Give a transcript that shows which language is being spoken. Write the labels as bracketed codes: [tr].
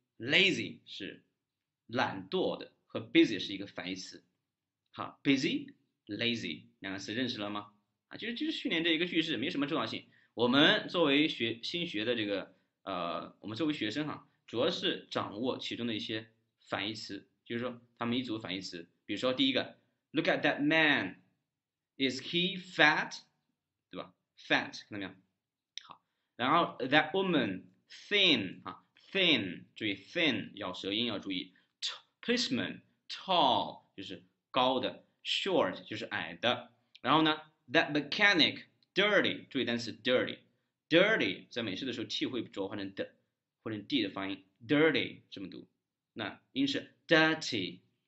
[zh] Lazy 是懒惰的，和 busy 是一个反义词。好 ，busy、lazy 两个词认识了吗？就是训练这一个句式，没什么重要性。我们作为新学的这个我们作为学生哈，主要是掌握其中的一些反义词，就是说他们一组反义词。比如说第一个 [en] ，Look at that man， is he fat？ [zh] 对吧 ？Fat 看到没有？好，然后 that woman thin 哈。 Thin， 注意 thin 咬舌音要注意。Policeman tall 就是高的 ，short 就是矮的。然后呢 ，that mechanic dirty， 注意单词 dirty 在美式的时候 t 会浊化成 d 或者 d 的发音 ，dirty 这么读，那音是 dirty。